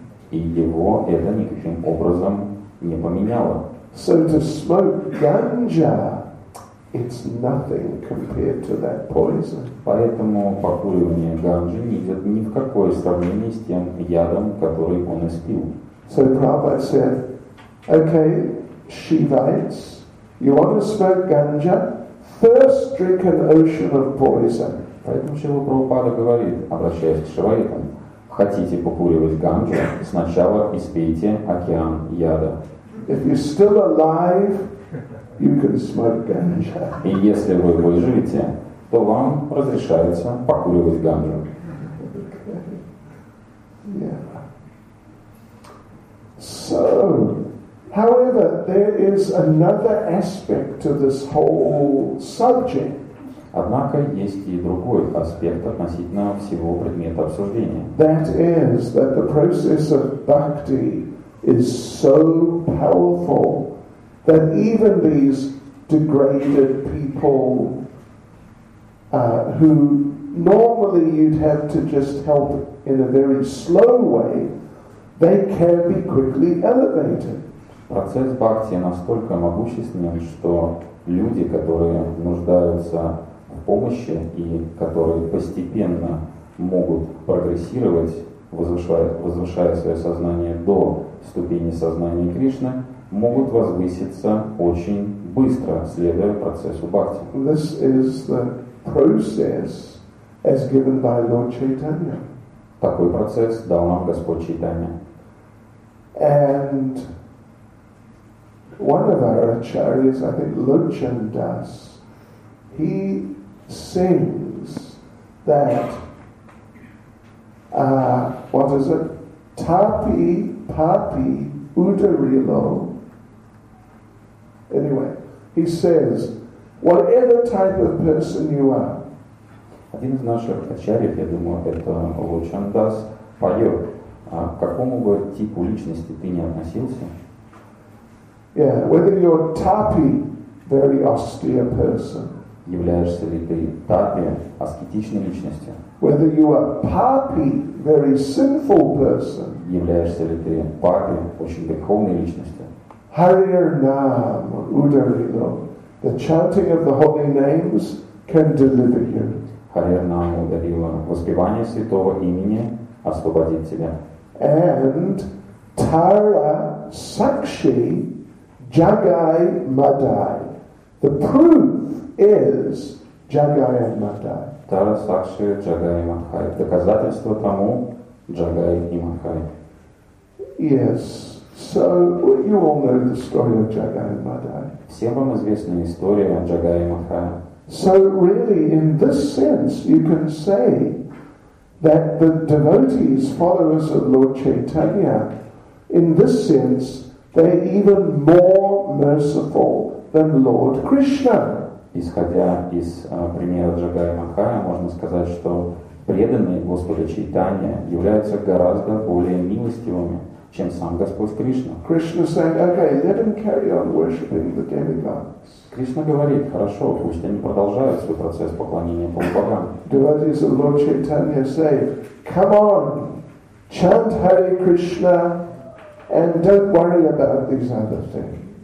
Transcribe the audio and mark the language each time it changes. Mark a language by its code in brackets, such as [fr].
[ru] И его это никаким образом не поменяло. [en] So to smoke ganja. It's nothing compared to that poison. [ru] Поэтому покуривание ганджи не идет ни в какое сравнение с тем ядом, который он испил. [en] So Prabhupada said, okay, Shivites, you want to smoke ganja? First drink an ocean of poison. [ru] Поэтому Шрила Прабхупада говорит, обращаясь к шиваитам, хотите покуривать ганджу, сначала испейте океан яда. [en] If you're still alive, you can smoke ganja. [ru] И если вы выживете, то вам разрешается покуривать ганджу. [en] Okay. Yeah. So, however, there is another aspect to this whole subject. [ru] Однако есть и другой аспект относительно всего предмета обсуждения. [en] That is that the process of bhakti is so powerful that even these degraded people who normally you'd have to just help in a very slow way, they can be quickly elevated. [ru] Процесс бхакти настолько могущественен, что люди, которые нуждаются в помощи и которые постепенно могут прогрессировать, возвышая свое сознание до ступени сознания Кришны, могут возвыситься очень быстро, следуя процессу бхакти. [en] This is the process as given by Lord Chaitanya. [ru] Такой процесс дал нам Господь Чайтанья. [en] And one of our acharyas, I think Lochan Das, he sings that what is it? [bn] Tapi papi udarilo. [en] Anyway, he says, whatever type of person you are. [ru] Один из наших ачарьев, я думаю, это Лучан Дас, поет, к какому бы типу личности ты не относился. [en] Yeah, whether you're tapi, very austere person. [ru] являешься ли ты тапи, аскетичной личностью? [en] Whether you are papi, very sinful person. [ru] Являешься ли ты папи, очень греховной личностью? [bn] Харинам Ударидо. [en] The chanting of the holy names can deliver you. [bn] Харинам Ударидо. [ru] Воспевание святого имени освободит тебя. [bn] And Tara Sakshi Jagai Madai. [en] The proof is Jagai and Madai. [bn] Tara Sakshi Jagai and Madai. [ru] Доказательство тому Jagai и Madai. [en] Yes. So you all know the story of Jagai and Madai. [ru] Всем вам известна история Jagai и Madai. [en] So really, in this sense, you can say that the devotees, followers of Lord Chaitanya, in this sense, they are even more merciful than Lord Krishna. [ru] Исходя из примера Джагая Махая, можно сказать, что преданные Господа Чайтанья являются гораздо более милостивыми, чем сам Господь Кришна. [en] Krishna said, okay, let him carry on worshiping the demigods. [ru] Кришна говорит, хорошо, пусть они продолжают свой процесс поклонения полубогам. [en] Devotees of Lord Chaitanya say, come on, chant Hare Krishna and don't worry about these other things.